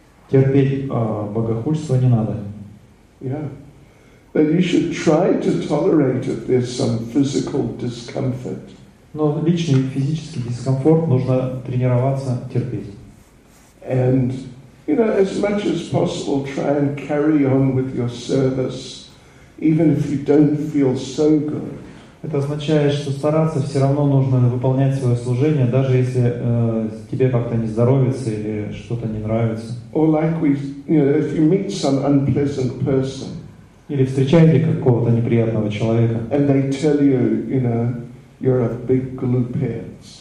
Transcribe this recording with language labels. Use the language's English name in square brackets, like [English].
[Russian] Терпеть богохульство не надо. [English] Yeah. But you should try to tolerate if there's some physical discomfort. [Russian] Но личный физический дискомфорт нужно тренироваться терпеть. [English] And as much as possible, try and carry on with your service, even if you don't feel so good. [Russian] Это означает, что стараться все равно нужно выполнять свое служение, даже если тебе как-то не здоровится или что-то не нравится. [English] Or like we, if you meet some unpleasant person. [Russian] Или встречаете какого-то неприятного человека. [English] And they tell you, you're a big glupец.